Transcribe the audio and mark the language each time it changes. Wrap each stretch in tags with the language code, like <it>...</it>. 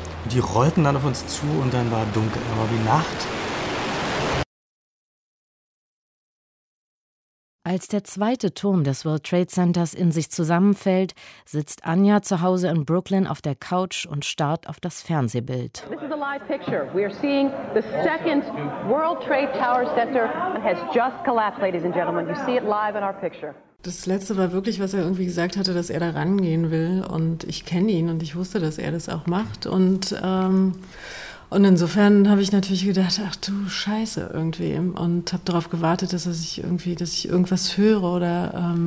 <de>Die rollten dann auf uns zu und dann war dunkel, aber wie Nacht. Als der zweite Turm des World Trade Centers in sich zusammenfällt, sitzt Anja zu Hause in Brooklyn auf der Couch und starrt auf das Fernsehbild.</de> <en>This is a live picture. We are seeing the second World Trade Tower Center has just collapsed, ladies and gentlemen. You see it live in our picture.</en> <de>Das Letzte war wirklich, was er irgendwie gesagt hatte, dass er da rangehen will. Und ich kenne ihn und ich wusste, dass er das auch macht. Und insofern habe ich natürlich gedacht, ach du Scheiße irgendwie. Und habe darauf gewartet, dass ich irgendwas höre.</de>